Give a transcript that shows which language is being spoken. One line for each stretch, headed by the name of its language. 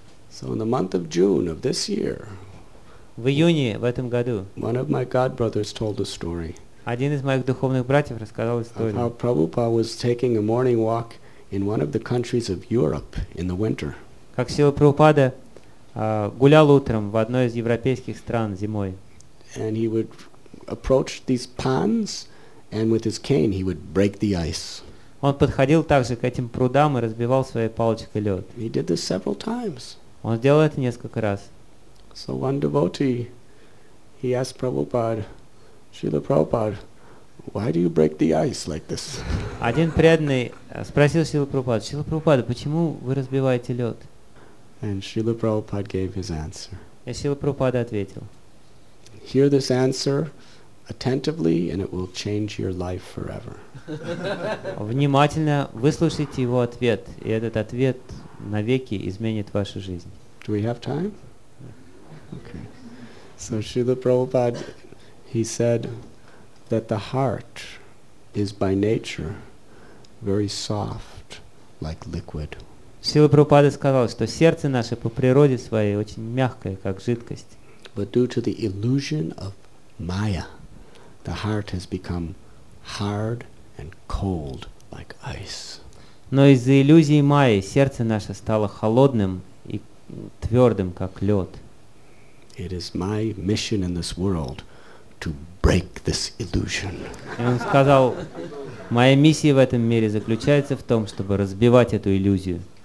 English: So in the month of June of this year.
Russian: В июне в этом году
English: one of my God brothers told a story.
Russian: Один из моих духовных братьев рассказал историю.
English: How Prabhupada was taking a morning walk in one of the countries of Europe in the winter.
Russian: Как Шрила Прабхупада гулял утром в одной из европейских стран зимой.
English: And he would approach these ponds and with his cane he would break the ice.
Russian: Он подходил также к этим прудам и разбивал своей палочкой лед.
English: He did this several times.
Russian: Он сделал это несколько раз.
English: So one devotee, he asked Prabhupada, Srila Prabhupada, why do you break the ice like this?
Russian: Один преданный спросил Шрилу Прабхупаду, Шрила Прабхупада, почему вы разбиваете лед?
English: And Srila Prabhupada gave his answer.
Russian: И Шрила Прабхупада ответил.
English: Hear this answer attentively and it will change your life forever.
Russian: Внимательно выслушайте его ответ, и этот ответ навеки изменит вашу жизнь.
English: Do we have time? So Srila Prabhupada, he said that the heart is by nature very soft, like liquid.
Russian: Srila Prabhupada сказал, что сердце наше по природе своей очень мягкое, как жидкость.
English: But due to the illusion of Maya, the heart has become hard and cold, like ice.
Russian: Но из-за иллюзии Майи сердце наше стало холодным и твердым, как лед.
English: It is my mission in this world to break this illusion.
Russian: И он сказал, моя миссия в этом мире заключается в том, чтобы разбивать эту иллюзию.